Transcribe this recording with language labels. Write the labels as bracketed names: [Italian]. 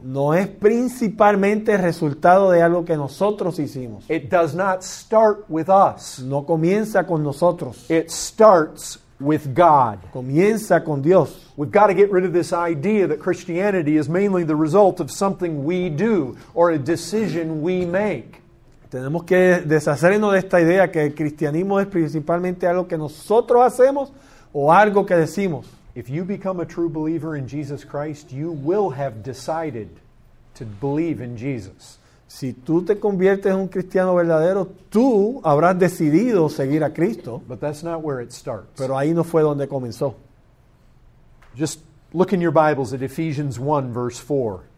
[Spanish] No es principalmente el resultado de algo que nosotros hicimos. [English] It does not start with us. [Spanish] No comienza con nosotros. [English] It starts with God. [Spanish] Comienza con Dios. [English] We've got to get rid of this idea that Christianity is mainly the result of something we do or a decision we make. [Spanish] Tenemos que deshacernos de esta idea que el cristianismo es principalmente algo que nosotros hacemos o algo que decimos. [English] If you become a true believer in Jesus Christ, you will have decided to believe in Jesus. [Spanish] Si tú te conviertes en un cristiano verdadero, tú habrás decidido seguir a Cristo. [English] But that's not where it starts. [Spanish] Pero ahí no fue donde comenzó. [English] Just look in your Bibles at Ephesians 1, verse 4.